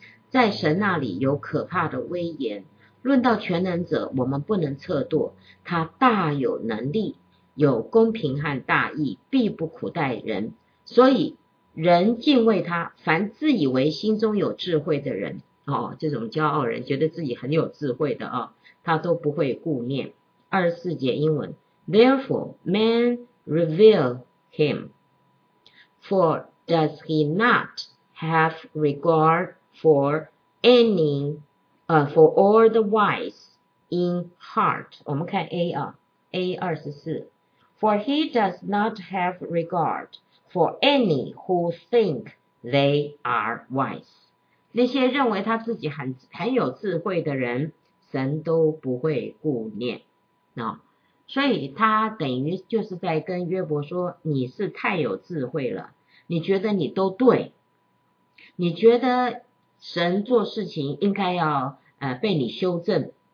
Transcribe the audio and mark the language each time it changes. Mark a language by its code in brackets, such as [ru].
[zh] 在神那里有可怕的威严，论到全能者，我们不能测度，他大有能力，有公平和大义，必不苦待人，所以人敬畏他，凡自以为心中有智慧的人，哦，这种骄傲人觉得自己很有智慧的，哦，他都不会顾念。 24节英文 [en] Therefore man reveal him, for does he not have regard for any, for all the wise in heart? [zh] 我们看 A 啊 [en] ,A24, for he does not have regard,For any who think they are wise. [zh] 那些认为他自己 很有智慧的人，神都不会顾念。哦，所以他等于就是在跟约伯说，你是太有智慧了，你觉得你都对，你觉得神做事情应该要被你修正。